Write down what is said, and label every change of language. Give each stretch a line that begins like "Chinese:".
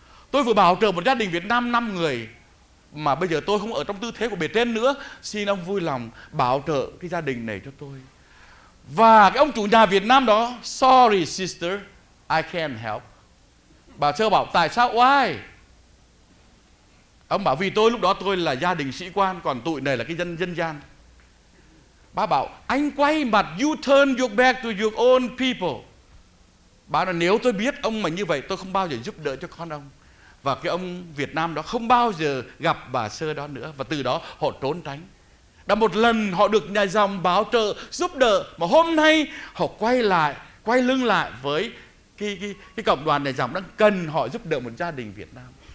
Vietnamese: Tôi vừa bảo trợ một gia đình Việt Nam 5 người mà bây giờ tôi không ở trong tư thế của bề trên nữa, xin ông vui lòng bảo trợ cái gia đình này cho tôi. Và cái ông chủ nhà Việt Nam đó:
English: sorry sister, I can't help.
Vietnamese: Bà sơ bảo: tại sao, why? Ông bảo: vì tôi lúc đó tôi là gia đình sĩ quan, còn tụi này là cái dân gian. Bà bảo: anh quay mặt,
English: you turn your back to your own people.
Vietnamese: Bà nói: nếu tôi biết ông mà như vậy, tôi không bao giờ giúp đỡ cho con ông. Và cái ông Việt Nam đó không bao giờ gặp bà sơ đó nữa, và từ đó họ trốn tránh. Đã một lần họ được nhà dòng bảo trợ giúp đỡ, mà hôm nay họ quay lưng lại với cái cộng đoàn nhà dòng đang cần họ giúp đỡ một gia đình Việt Nam.